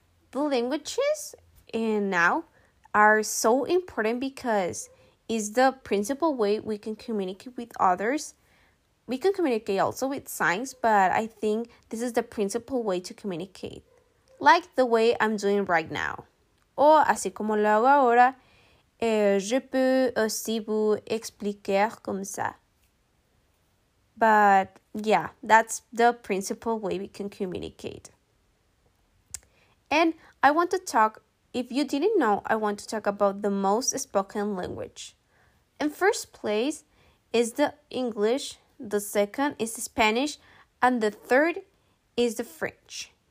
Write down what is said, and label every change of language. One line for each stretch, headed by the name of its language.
English: The languages and now are so important because it's the principal way we can communicate with others. We can communicate also with signs, but I think this is the principal way to communicate. Like the way I'm doing right now.
Spanish: O así como lo hago ahora,
French: je peux aussi vous expliquer comme ça.
English: But yeah, that's the principal way we can communicate. And I want to talk, if you didn't know, I want to talk about the most spoken language. In first place is the English, the second is the Spanish, and the third is the French.